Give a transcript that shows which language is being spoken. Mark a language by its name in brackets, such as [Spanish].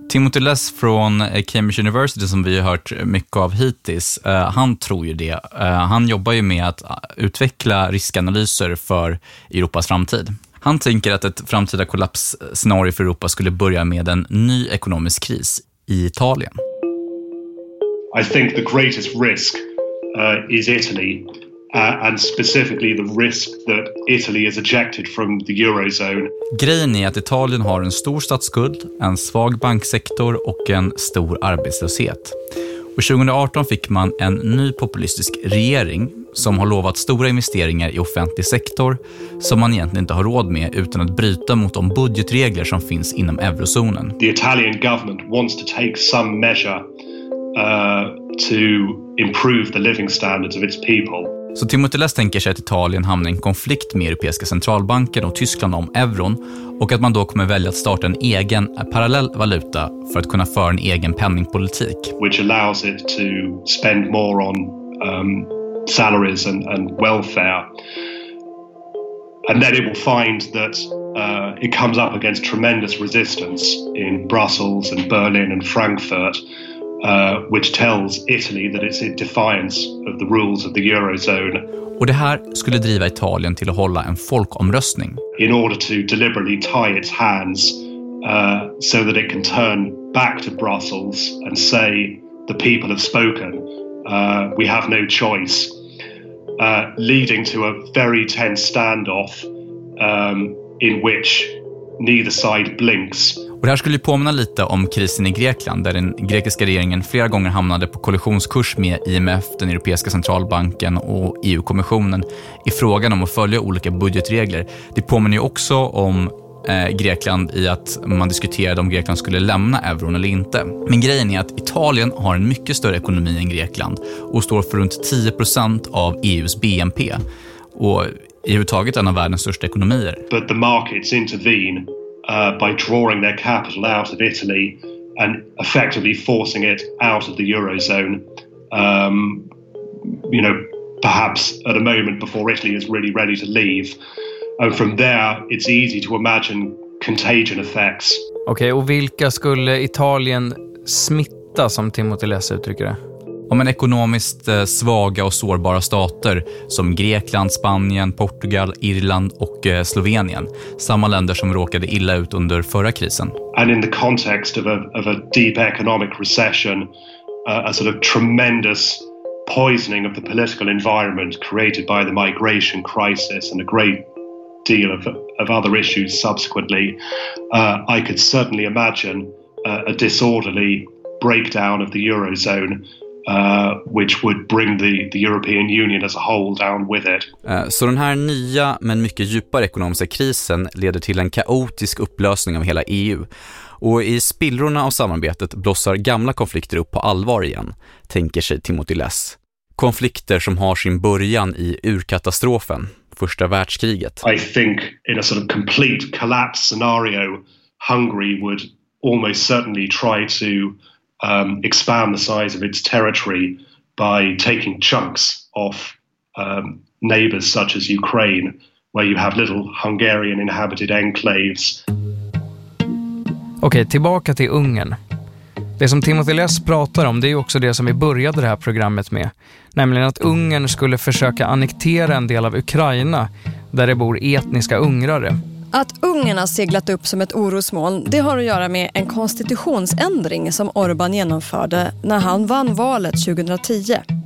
[Swedish] Timothy Less från Cambridge University, som vi har hört mycket av hittills, han tror ju det. Han jobbar ju med att utveckla riskanalyser för Europas framtid. Han tänker att ett framtida kollapsscenario för Europa skulle börja med en ny ekonomisk kris i Italien. [English] I think the greatest risk is Italy, and specifically the risk that Italy is ejected from the eurozone. [Swedish] Grejen är att Italien har en stor statsskuld, en svag banksektor och en stor arbetslöshet. Och 2018 fick man en ny populistisk regering som har lovat stora investeringar i offentlig sektor som man egentligen inte har råd med utan att bryta mot de budgetregler som finns inom eurozonen. [English] The Italian government wants to take some measure to improve the living standards of its people. [Swedish] Så Timothy Less tänker sig att Italien hamnar i en konflikt med Europeiska centralbanken och Tyskland om euron och att man då kommer välja att starta en egen parallell valuta för att kunna föra en egen penningpolitik. [English] Which allows it to spend more on salaries and welfare. And then it will find that it comes up against tremendous resistance in Brussels and Berlin and Frankfurt. Which tells Italy that it's in defiance of the rules of the eurozone. [Swedish] Och det här skulle driva Italien till att hålla en folkomröstning. [English] In order to deliberately tie its hands so that it can turn back to Brussels and say the people have spoken. We have no choice. Leading to a very tense standoff in which neither side blinks. [Swedish] Och det här skulle ju påminna lite om krisen i Grekland, där den grekiska regeringen flera gånger hamnade på kollisionskurs med IMF, den europeiska centralbanken och EU-kommissionen i frågan om att följa olika budgetregler. Det påminner ju också om Grekland i att man diskuterade om Grekland skulle lämna euron eller inte. Men grejen är att Italien har en mycket större ekonomi än Grekland och står för runt 10% av EUs BNP och i huvud taget en av världens största ekonomier. [English] But the markets intervene by drawing their capital out of Italy and effectively forcing it out of the eurozone, you know, perhaps at a moment before Italy is really ready to leave. And from there, it's easy to imagine contagion effects. [Swedish] Okej, och vilka skulle Italien smitta, som Timothy Less uttrycker det? Om en ekonomiskt svaga och sårbara stater som Grekland, Spanien, Portugal, Irland och Slovenien, samma länder som råkade illa ut under förra krisen. [English] And in the context of a deep economic recession, a sort of tremendous poisoning of the political environment created by the migration crisis and a great deal of other issues subsequently, I could certainly imagine a disorderly breakdown of the eurozone. Which would bring the European Union as a whole down with it. [Swedish] Så den här nya men mycket djupare ekonomiska krisen leder till en kaotisk upplösning av hela EU. Och i spillrorna av samarbetet blossar gamla konflikter upp på allvar igen, tänker sig Timothy Less. Konflikter som har sin början i urkatastrofen, första världskriget. [English] I think in a sort of complete collapse scenario, Hungary would almost certainly try to expand the size of its territory by taking chunks off neighbors such as Ukraine, where you have little Hungarian inhabited enclaves. [Swedish] Okej, tillbaka till Ungern. Det som Timothy Less pratar om, det är också det som vi började det här programmet med. Nämligen att Ungern skulle försöka annektera en del av Ukraina där det bor etniska ungrare. Att Ungern har seglat upp som ett orosmoln, det har att göra med en konstitutionsändring som Orbán genomförde när han vann valet 2010.